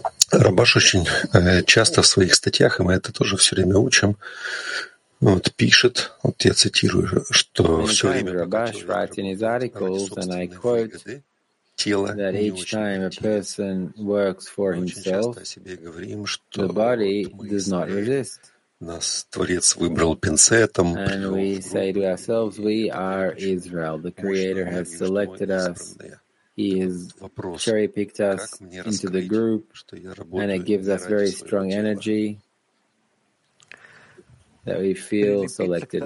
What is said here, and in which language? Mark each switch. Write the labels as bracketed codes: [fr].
[ru] Рабаш очень часто в своих статьях, и мы это тоже все время учим, вот пишет, вот я цитирую, что все время [en] Рабаш writes in his articles, and I quote, that each time a person works for himself, the body does not resist. [ru] Нас Творец выбрал пинцетом. [en] And we say to ourselves, we are Israel. The Creator has selected us. He has cherry-picked us into the group. And it gives us very strong energy that we feel selected.